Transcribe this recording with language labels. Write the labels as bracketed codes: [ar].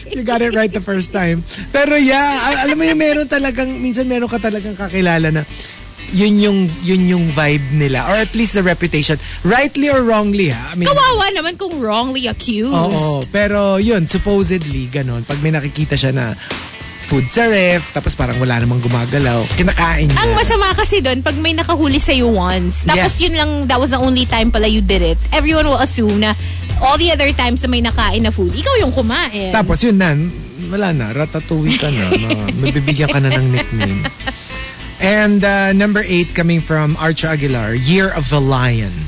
[en] You got it right the first time. [tl] Pero yeah, alam mo yung meron ka talagang kakilala na yun yung vibe nila. [en] Or at least the reputation. Rightly or wrongly, [tl] ha? [en] I mean, [tl] kawawa naman kung [en] wrongly accused. [tl] Oo. Pero yun, supposedly, ganun. Pag may nakikita siya na food sa ref, tapos parang wala namang gumagalaw, kinakain niya. Ang masama kasi doon, pag may nakahuli sa'yo once, tapos yun lang, [en] that was the only time [tl] pala you did it, [en] everyone will assume [tl] na all the other times na may nakain na food, ikaw yung kumain. Tapos yun na, wala na, Ratatouille ka na, mabibigyan ka na ng nickname. [en] And number 8 coming from Archer Aguilar, Year of the Lion.